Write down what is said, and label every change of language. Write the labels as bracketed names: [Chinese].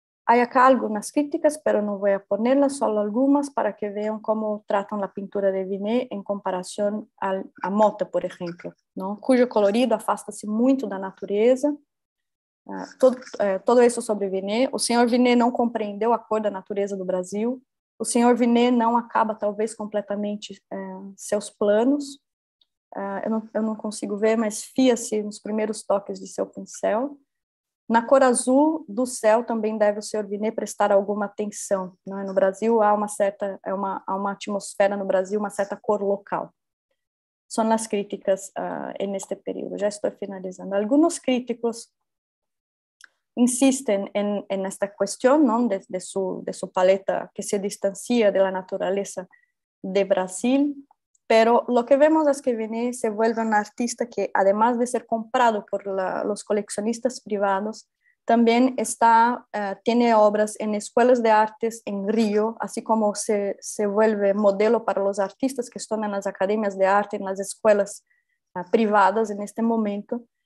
[Spanish] Hay acá algunas críticas, pero no voy a ponerlas, solo algunas para que vean cómo tratan la pintura de Vinet en comparación a Mota, por ejemplo, ¿no? Cuyo colorido afasta-se mucho de la naturaleza. Todo eso sobre Vinet. El señor Vinet no comprendió la cor de la naturaleza del Brasil. El señor Vinet no acaba tal vez completamente sus planos. [Portuguese] Eu não consigo ver, mas fia-se nos primeiros toques de seu pincel. Na cor azul do céu também deve o senhor Vinet prestar alguma atenção, né? No Brasil há uma certa, há uma atmosfera no Brasil, uma certa cor local. São as críticas neste período. Já estou finalizando. Alguns críticos insistem em esta questão, não, de sua paleta que se distancia da natureza de Brasil. [Spanish] Pero lo que vemos es que Vinet se vuelve un artista que, además de ser comprado por los coleccionistas privados, también tiene obras en escuelas de artes en Río, así como se vuelve modelo para los artistas que están en las academias de arte, en las escuelas privadas en este momento.